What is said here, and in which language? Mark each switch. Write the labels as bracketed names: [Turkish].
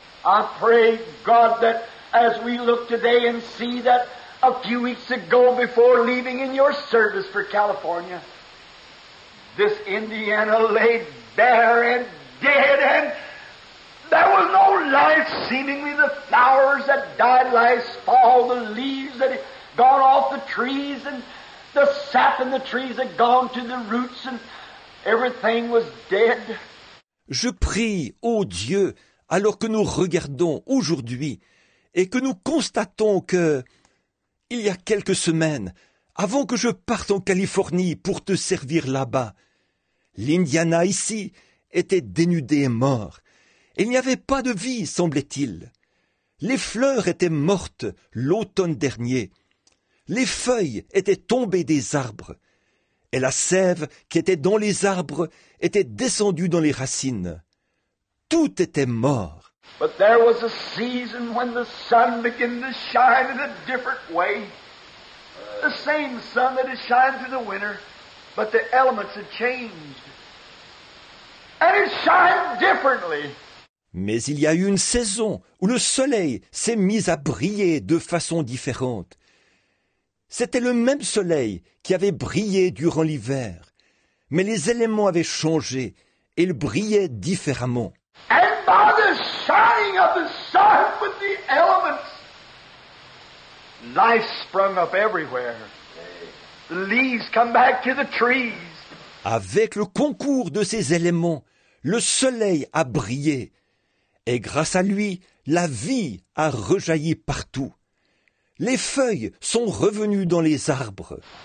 [English] I pray, God, that as we look today and see that a few weeks ago before leaving in your service for California, this Indiana lay bare and dead and there was no life. Seemingly the flowers that died last fall, the leaves that had gone off the trees and the sap in the trees had gone to the roots and everything was dead. [French] Je prie, ô Dieu, alors que nous regardons aujourd'hui et que nous constatons que, il y a quelques semaines, avant que je parte en Californie pour te servir là-bas, l'Indiana ici était dénudé et mort. Il n'y avait pas de vie, semblait-il. Les fleurs étaient mortes l'automne dernier. Les feuilles étaient tombées des arbres. Et la sève qui était dans les arbres était descendue dans les racines. Tout était mort. [English] But there was a season when the sun began to shine in a different way. The same sun that had shined through the winter, but the elements had changed. And it shined differently. [French] Mais il y a eu une saison où le soleil s'est mis à briller de façon différente. C'était le même soleil qui avait brillé durant l'hiver, mais les éléments avaient changé et il brillait différemment. [English] And by the shining of the sun with the elements, life sprung up everywhere. The leaves come back to the trees. [French] Avec le concours de ces éléments, le soleil a brillé. Et grâce à lui, la vie a rejailli partout. Les feuilles sont revenues dans les arbres.